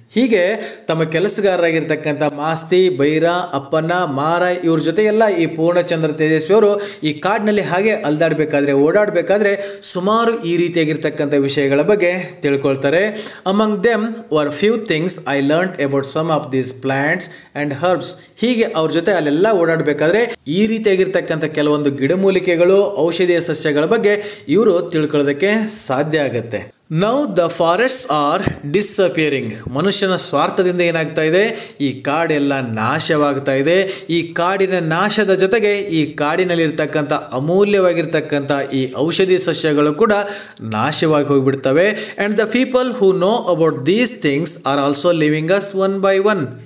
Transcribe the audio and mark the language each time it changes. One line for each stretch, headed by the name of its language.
Kannada: ಹೀಗೆ ತಮ್ಮ ಕೆಲಸಗಾರರಾಗಿರ್ತಕ್ಕಂಥ ಮಾಸ್ತಿ, ಭೈರ, ಅಪ್ಪನ, ಮಾರ ಇವ್ರ ಜೊತೆಯೆಲ್ಲ ಈ ಪೂರ್ಣಚಂದ್ರ ತೇಜಸ್ವಿ ಅವರು ಈ ಕಾಡಿನಲ್ಲಿ ಹಾಗೆ ಅಲ್ದಾಡಬೇಕಾದ್ರೆ ಓಡಾಡಬೇಕಾದ್ರೆ ಸುಮಾರು ಈ ರೀತಿಯಾಗಿರ್ತಕ್ಕಂಥ ವಿಷಯಗಳ ಬಗ್ಗೆ ತಿಳ್ಕೊಳ್ತಾರೆ.
English: Among them were few things I learn about some of these plants and herbs.
Kannada: ಹೀಗೆ ಅವ್ರ ಜೊತೆ ಅಲ್ಲೆಲ್ಲ ಓಡಾಡಬೇಕಾದ್ರೆ ಈ ರೀತಿಯಾಗಿರ್ತಕ್ಕಂಥ ಕೆಲವೊಂದು ಗಿಡಮೂಲಿಕೆಗಳು, ಔಷಧೀಯ ಸಸ್ಯಗಳ ಬಗ್ಗೆ ಇವರು ತಿಳ್ಕೊಳ್ಳೋದಕ್ಕೆ ಸಾಧ್ಯ ಆಗುತ್ತೆ.
English: Now the forests are disappearing.
Kannada: ಮನುಷ್ಯನ ಸ್ವಾರ್ಥದಿಂದ ಏನಾಗ್ತಾ ಇದೆ, ಈ ಕಾಡೆಲ್ಲ ನಾಶವಾಗ್ತಾ ಇದೆ. ಈ ಕಾಡಿನ ನಾಶದ ಜೊತೆಗೆ ಈ ಕಾಡಿನಲ್ಲಿರ್ತಕ್ಕಂಥ ಅಮೂಲ್ಯವಾಗಿರ್ತಕ್ಕಂಥ ಈ ಔಷಧಿ ಸಸ್ಯಗಳು ಕೂಡ ನಾಶವಾಗಿ ಹೋಗಿಬಿಡ್ತವೆ.
English: And the people who know about these things are also leaving us one by one.